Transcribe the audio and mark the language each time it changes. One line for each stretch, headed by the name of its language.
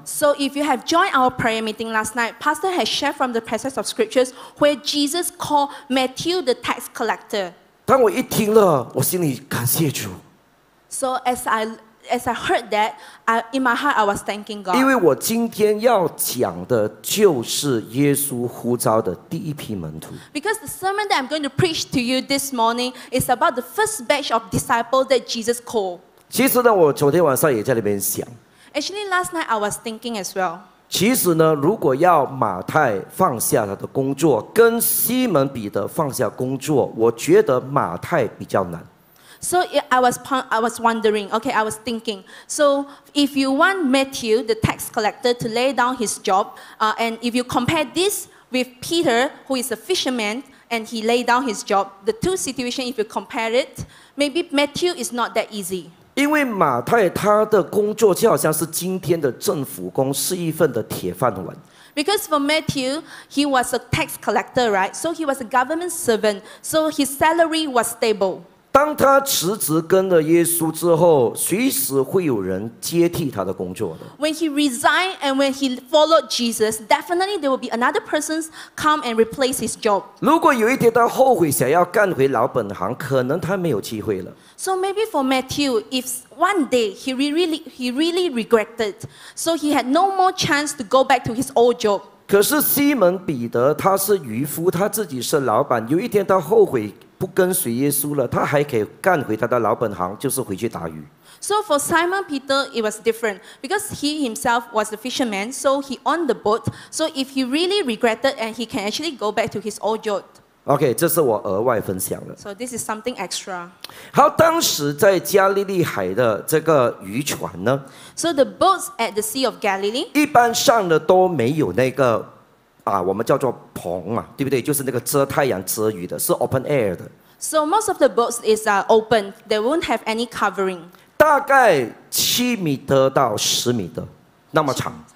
English: So if you have joined our prayer meeting last night, Pastor has shared from the passage of scriptures where Jesus called Matthew the tax collector.
Chinese: 当我一听了，我心里感谢主。
English: So as I heard that, in my heart, I was thanking God.
Chinese: 因为我今天要讲的就是耶稣呼召的第一批门徒。
English: Because the sermon that I'm going to preach to you this morning is about the first batch of disciples that Jesus called.
Chinese: 其实呢，我昨天晚上也在那边想。
English: Actually, last night I was thinking as well.
Chinese: 其实呢，如果要马太放下他的工作，跟西门彼得放下工作，我觉得马太比较难。
English: So I was wondering, okay, I was thinking. So if you want Matthew, the tax collector, to lay down his job, and if you compare this with Peter, who is a fisherman, and he laid down his job, the two situations, if you compare it, maybe Matthew is not that easy.
Chinese: 因为马太他的工作就好像是今天的政府工，是一份的铁饭碗。
English: Because for Matthew, he was a tax collector, right? So he was a government servant. So his salary was stable.
Chinese: 当他辞职跟了耶稣之后，随时会有人接替他的工作的。
English: When he resigned and when he followed Jesus, definitely there will be another person come and replace his job.
Chinese: 如果有一天他后悔想要干回老本行，可能他没有机会了。
English: So maybe for Matthew, if one day he really regretted, so he had no more chance to go back to his old job.
Chinese: 可是西门彼得他是渔夫，他自己是老板。有一天他后悔不跟随耶稣了，他还可以干回他的老本行，就是回去打鱼。
English: So for Simon Peter, it was different because he himself was a fisherman, so he owned the boat. So if he really regretted, and he can actually go back to his old job.
Chinese: OK, 这是我额外分享的。
English: So this is something extra.
Chinese: 好，当时在加利利海的这个渔船呢
English: ？So the boats at the Sea of Galilee.
Chinese: 一般上的都没有那个，啊，我们叫做棚嘛，对不对？就是那个遮太阳遮雨的，是
English: open air
Chinese: 的。
English: So most of the boats is open. They won't have any covering.
Chinese: 大概七米多到十米的，那么长。